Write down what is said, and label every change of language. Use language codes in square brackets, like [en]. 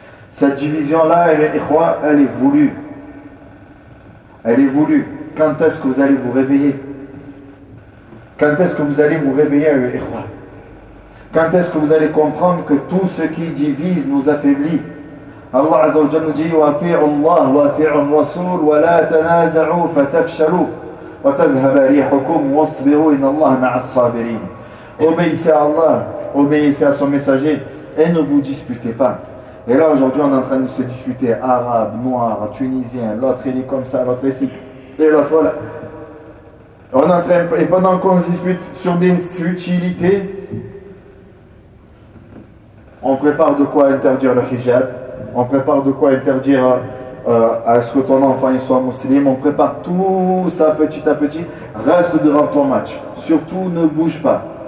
[fr] Cette division-là, elle est voulue. Elle est voulue. Quand est-ce que vous allez vous réveiller? Quand est-ce que vous allez vous réveiller, Ikhwa? Quand est-ce que vous allez comprendre que tout ce qui divise nous affaiblit? [ar] Allah Azza wa Jalla [fr] nous dit: [ar] وَأَطِيعُوا اللَّهَ وَأَطِيعُوا الرَّسُولَ وَلَا تَنَازَعُوا فَتَفْشَلُوا وَتَذْهَبَ رِيحُكُمْ وَاصْبِرُوا إِنَّ اللَّهَ مَعَ الصَّابِرِينَ. [fr] Obéissez à Allah, obéissez à son messager et ne vous disputez pas. Et là aujourd'hui on est en train de se disputer, arabe, noir, tunisien, l'autre il est comme ça, l'autre ici, et l'autre voilà. On est en train, et pendant qu'on se dispute sur des futilités, on prépare de quoi interdire le hijab, on prépare de quoi interdire à ce que ton enfant il soit musulman, on prépare tout ça petit à petit, reste devant ton match, surtout ne bouge pas.